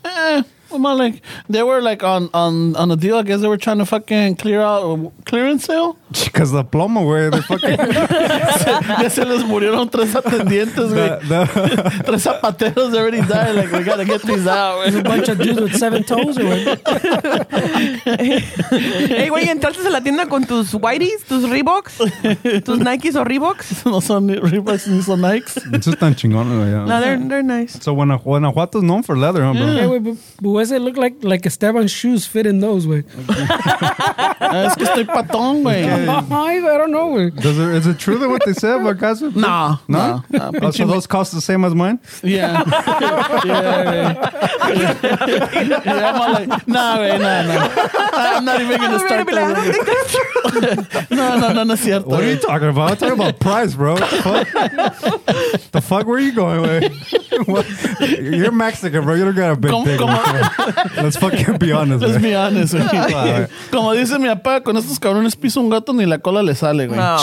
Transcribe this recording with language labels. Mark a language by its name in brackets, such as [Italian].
[English] Well, like, they were like on a deal. I guess they were trying to fucking clear out clearance sale. Because the plomo, güey, they fucking. [Spanish] Ya se les murieron tres atendientes, güey. Tres zapateros [English] already died. Like, we gotta get these out. There's a bunch of dudes with seven toes, güey. [Spanish] Hey, güey, ¿entraste a la tienda con tus whiteys, tus Reeboks, tus Nikes o Reeboks? No son Reeboks ni son Nikes. Esos están chingones, güey. [English] No, they're nice. So Guanajuato's known for leather, huh, bro? Yeah, güey, but does it look like Esteban's shoes fit in those, güey? [Spanish] Es que estoy patón, güey. [English] I don't know. Is it true that what they said about Casa? Nah. No? Nah. So those cost the same as mine? Yeah. Yeah. I'm all like, nah, wey, nah, nah. I'm not even going to start that. I don't think that's true. [Spanish] No, cierto. [English] What are you talking about? I'm talking about price, bro. The fuck were you going, wey? You're Mexican, bro. You don't got a big thing. Let's fucking be honest. Let's be honest. [Spanish] Como dice mi papá, con estos cabrones piso un gato ni la cola le sale, güey.